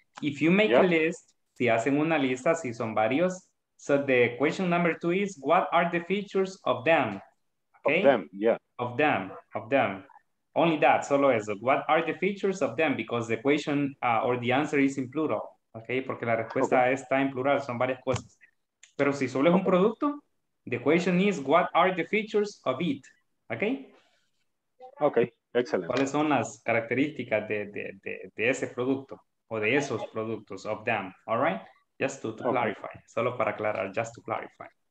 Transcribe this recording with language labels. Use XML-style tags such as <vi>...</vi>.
<en>If you make a list,</en> <es>si hacen una lista, si son varios.</es> <en>So the question number two is, what are the features of them? Okay? Of them, yeah. Of them. Only that,</en> <es>solo eso.</es> <en>What are the features of them? Because the question or the answer is in plural, okay?</en> <es>Porque la respuesta está en plural, son varias cosas. Pero si solo es un producto...</es> <en>The question is, what are the features of it? Okay? Okay, excellent.</en> <es>¿Cuáles son las características de ese producto? O de esos productos,</es> <en>of them, all right? Just to clarify,</en> <es>solo para aclarar,</es> <en>just to clarify.</en>